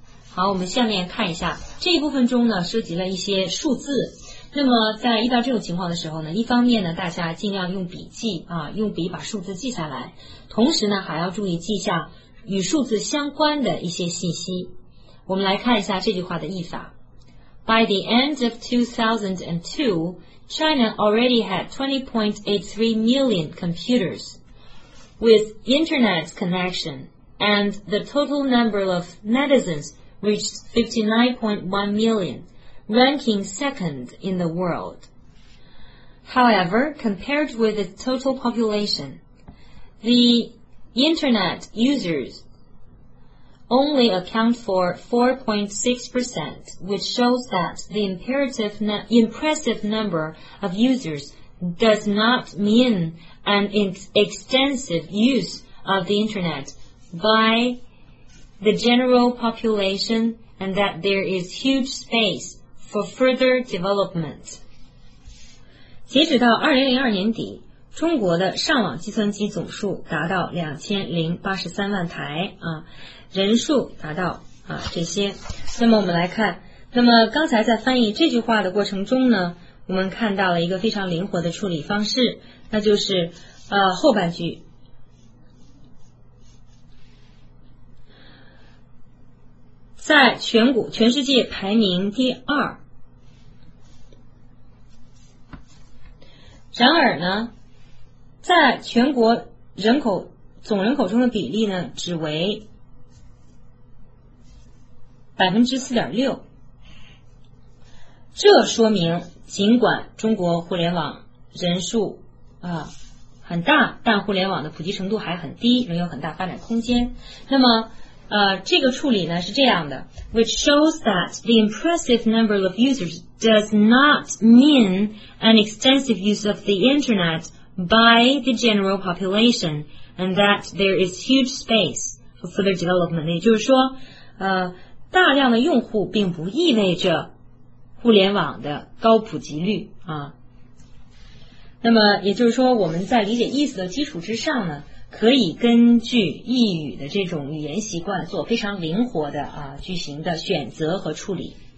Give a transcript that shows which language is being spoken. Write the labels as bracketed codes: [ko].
[zh] 好，我们下面看一下这一部分中呢，涉及了一些数字。那么在遇到这种情况的时候呢，一方面呢，大家尽量用笔记啊，用笔把数字记下来，同时呢，还要注意记下与数字相关的一些信息。我们来看一下这句话的意法。 [en] By the end of 2002, China already had 20.83 million computers with internet connection, and the total number of netizens reached 59.1 million, ranking second in the world. However, compared with its total population, the internet users only account for 4.6%, which shows that the impressive number of users does not mean an extensive use of the internet by the general population and that there is huge space for further development. [zh] 截止到2002年底，中国的上网计算机总数达到2083万台啊，人数达到啊这些。那么我们来看，那么刚才在翻译这句话的过程中呢，我们看到了一个非常灵活的处理方式，那就是后半句。在全世界排名第二，然而呢，在全国人口总人口中的比例呢，只为 4.6%。这说明尽管中国互联网人数很大，但互联网的普及程度还很低，仍有很大发展空间。那么这个处理呢是这样的， [en] which shows that the impressive number of users does not mean an extensive use of the internet by the general population and that there is huge space for further development. [zh] 也就是说大量的用户并不意味着互联网的高普及率啊。那么也就是说，我们在理解意思的基础之上呢，可以根据意语的这种语言习惯做非常灵活的句型的选择和处理。